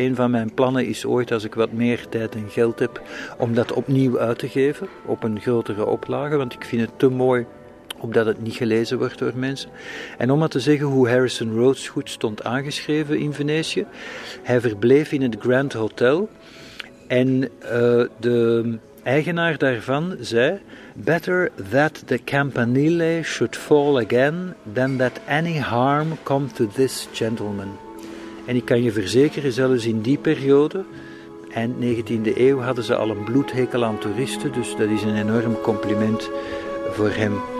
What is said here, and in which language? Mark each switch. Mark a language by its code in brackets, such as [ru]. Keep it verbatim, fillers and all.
[nl] Een van mijn plannen is ooit, als ik wat meer tijd en geld heb, om dat opnieuw uit te geven, op een grotere oplage. Want ik vind het te mooi, opdat het niet gelezen wordt door mensen. En om maar te zeggen hoe Harrison Rhodes goed stond aangeschreven in Venetië. Hij verbleef in het Grand Hotel. En uh, de... eigenaar daarvan zei, [en] better that the campanile should fall again than that any harm come to this gentleman. [nl] En ik kan je verzekeren, zelfs in die periode, eind negentiende eeuw, hadden ze al een bloedhekel aan toeristen, dus dat is een enorm compliment voor hem.